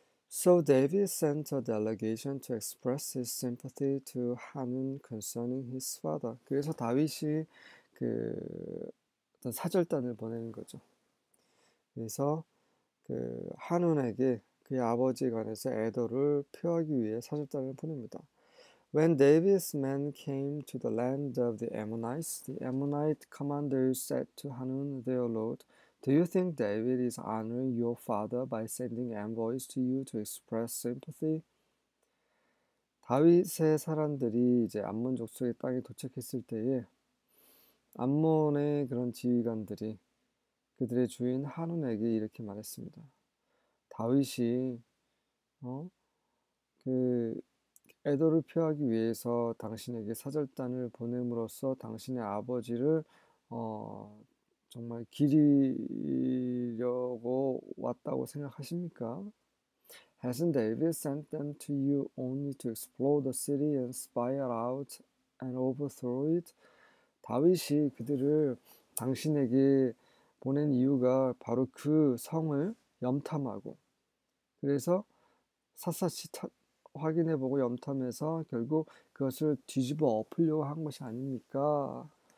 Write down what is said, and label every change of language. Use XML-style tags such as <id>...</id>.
<en>So David sent a delegation to express his sympathy to Hanun concerning his father.</en> <ko>그래서 다윗이 어떤 사절단을 보내는 거죠. 그래서 한눈에게 그의 아버지에 관해서 애도를 표하기 위해 사절단을 보냅니다.</ko> <en>When David's men came to the land of the Ammonite commanders said to Hanun, their lord, Do you think David is honoring your father by sending envoys to you to express sympathy?</en> <ko>다윗의 사람들이 이제 암몬 족속의 땅에 도착했을 때에 암몬의 그런 지휘관들이 그들의 주인 한눈에게 이렇게 말했습니다. 다윗이 애도를 표하기 위해서 당신에게 사절단을 보냄으로써 당신의 아버지를 정말 기리려고 왔다고 생각하십니까?</ko> <en>Hasn't David sent them to you only to explore the city and spy it out and overthrow it?</en> <ko>다윗이 그들을 당신에게 보낸 이유가 바로 그 성을 염탐하고 그래서 샅샅이 확인해보고 염탐해서 결국 그것을 뒤집어 엎으려고 한 것이 아닙니까?</ko>